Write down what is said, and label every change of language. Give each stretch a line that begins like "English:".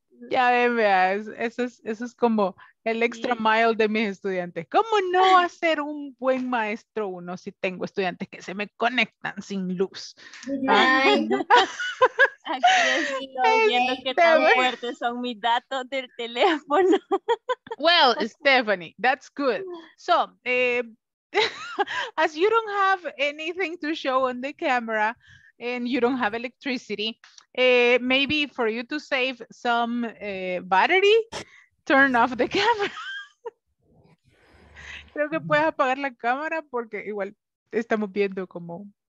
Spanish: Ya ven, vea, eso es como el
English: extra mile
Spanish: de mis estudiantes. ¿Cómo no hacer un buen maestro uno si tengo estudiantes que se me conectan sin luz? Ay, no. Aquí estoy viendo que tan fuertes son mis datos del teléfono.
English: Well, Stephanie, that's good. So, as you don't have anything to show on the camera and you don't have electricity, maybe for you to save some battery, turn off the camera.
Spanish: Creo que puedes apagar la cámara porque igual estamos viendo como...